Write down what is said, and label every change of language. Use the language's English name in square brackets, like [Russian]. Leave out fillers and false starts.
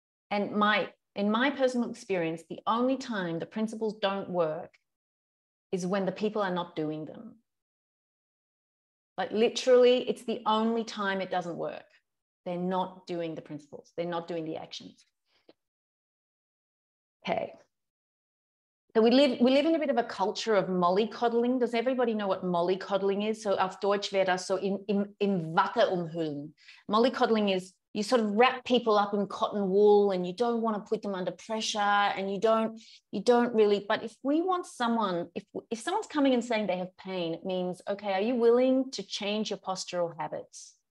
[English] And in my personal experience, the only time the principles don't work is when the people are not doing them. Like literally, it's the only time it doesn't work. They're not doing the principles. They're not doing the actions. Okay. So we live in a bit of a culture of mollycoddling. Does everybody know what mollycoddling is? [German] So auf Deutsch wäre das so im Watte umhüllen. [English] Mollycoddling is you sort of wrap people up in cotton wool and you don't want to put them under pressure and you don't really. But if we want someone, if someone's coming and saying they have pain, it means, okay, are you willing to change your postural habits?